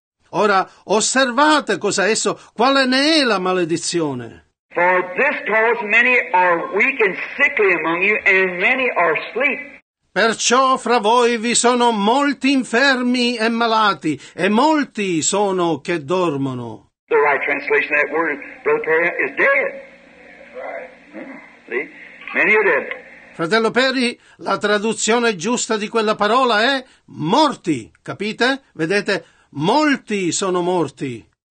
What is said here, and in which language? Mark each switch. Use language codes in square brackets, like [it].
[it] Ora, osservate cosa esso, quale ne è la maledizione. [en] For this cause many are weak and sickly among you, and many are asleep. [it] Perciò fra voi vi sono molti infermi e malati, e molti sono che dormono. [en] The right translation of that word, Brother Perry, is dead. Right. See? Many are dead. [it] Fratello Perry, la traduzione giusta di quella parola è morti, capite? Vedete, molti sono morti.